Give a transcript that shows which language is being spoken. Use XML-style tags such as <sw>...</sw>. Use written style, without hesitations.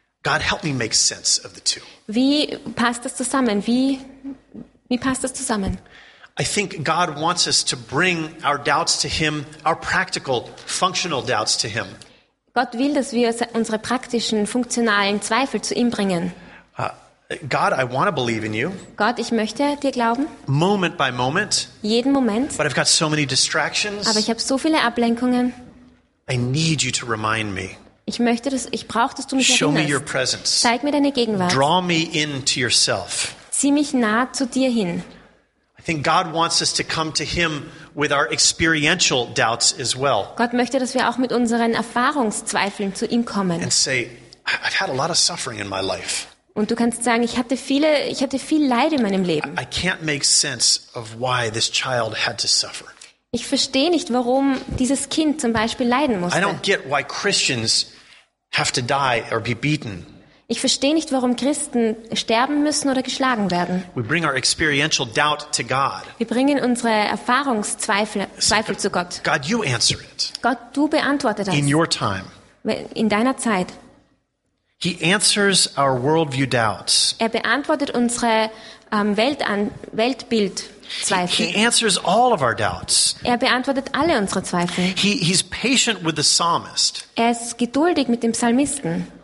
<en>God, help me make sense of the two.</en> <de>Wie passt das zusammen? Wie passt das zusammen?</de> <en>I think God wants us to bring our doubts to Him, our practical, functional doubts to Him.</en> <de>Gott will, dass wir unsere praktischen, funktionalen Zweifel zu ihm bringen.</de> <en>God, I want to believe in you.</en> <de>Gott, ich möchte dir glauben.</de> <en>Moment by moment.</en> <de>Jeden Moment.</de> <en>But I've got so many distractions.</en> <de>Aber ich habe so viele Ablenkungen.</de> <en>I need you to remind me.</en> <de>Ich brauche, dass du mich</de> <en>Show</en> <de>erinnerst.</de> <en>Me your presence.</en> <de>Zeig mir deine Gegenwart.</de> <en>Draw me into yourself.</en> <de>Zieh mich nah zu dir hin.</de> <en>I think God wants us to come to him with our experiential doubts as well.</en> <de>Gott möchte, dass wir auch mit unseren Erfahrungszweifeln zu ihm kommen.</de> <en>And say, I've had a lot of suffering in my life.</en> <de>Und du kannst sagen, ich hatte viel Leid in meinem Leben.</de> <en>I can't make sense of why this child had to suffer.</en> <de>Ich verstehe nicht, warum dieses Kind zum Beispiel leiden musste.</de> <en>I don't get why Christians have to die or be beaten.</en> <de>Ich verstehe nicht, warum Christen sterben müssen oder geschlagen werden.</de> <en>We bring our experiential doubt to God.</en> <de>Wir bringen unsere Erfahrungszweifel zu Gott.</de> <en>God, you answer it.</en> <de>Gott, du beantworte das.</de> <en>In your time.</en> <de>In deiner Zeit.</de> <en>He answers our worldview doubts.</en> <de>Er beantwortet unsere Weltbildzweifel.</de> <en>He answers all of our doubts.</en> <de>Er beantwortet alle unsere Zweifel.</de> <en>He's patient with the psalmist.</en> <de>Er ist geduldig mit dem Psalmisten.</de>